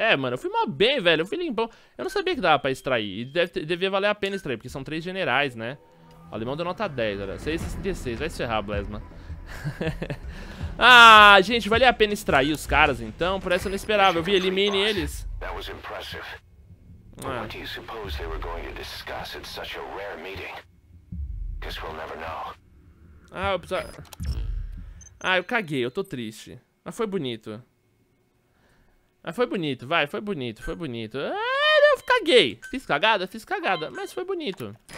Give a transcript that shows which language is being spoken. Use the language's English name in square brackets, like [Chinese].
[Portuguese] É, mano, eu fui mó bem, velho. Eu fui limpão. Eu não sabia que dava pra extrair. E devia valer a pena extrair, porque são 3 generais, né? O alemão deu nota 10, olha. 6,66. Vai se ferrar, Blesma. Ah, gente, valia a pena extrair os caras, então? Por essa eu não esperava. Eu vi, elimine eles. [English] That was impressive. But what do you suppose they were going to discuss at such a rare meeting? Guess we'll never know. [Portuguese] Ah, eu preciso... Ah, eu caguei, eu tô triste. Mas foi bonito. Mas foi bonito, vai, foi bonito, foi bonito. Ah, eu caguei. Fiz cagada, mas foi bonito.